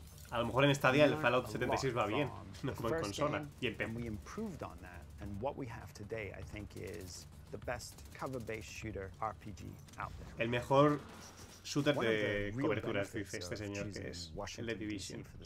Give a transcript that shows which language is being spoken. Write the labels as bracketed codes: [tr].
[es] A lo mejor en Stadia el Fallout 76 va bien, no como en consola y en PC. [en] Improved on that, and what we have today, I think, is the best cover-based shooter RPG out there. [es] El mejor shooter de cobertura, dice este señor, que es el de Division.